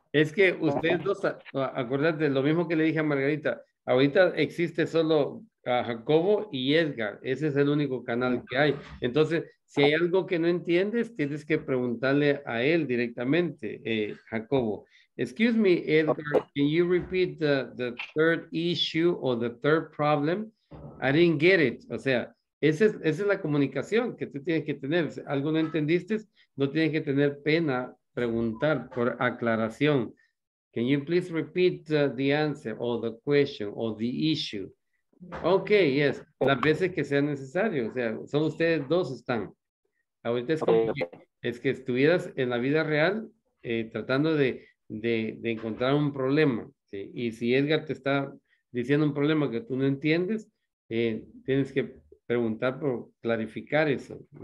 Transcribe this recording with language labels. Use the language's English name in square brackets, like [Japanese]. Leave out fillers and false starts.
[Spanish] Es que ustedes dos, acordate, lo mismo que le dije a Margarita, ahorita existe solo a Jacobo y Edgar, ese es el único canal que hay. Entonces, si hay algo que no entiendes, tienes que preguntarle a él directamente, Jacobo. [English] Excuse me, Edgar, can you repeat the third issue or the third problem? I didn't get it. [Spanish] O sea, esa es la comunicación que tú tienes que tener. Si algo no entendiste, no tienes que tener pena preguntar por aclaración. [English] Can you please repeat the answer or the question or the issue? [Spanish] Okay, yes. Las veces que sea necesario. O sea, son ustedes dos están. Ahorita es como que estuvieras en la vida real tratando de encontrar un problema, ¿sí? Y si Edgar te está diciendo un problema que tú no entiendes, tienes que preguntar por clarificar eso.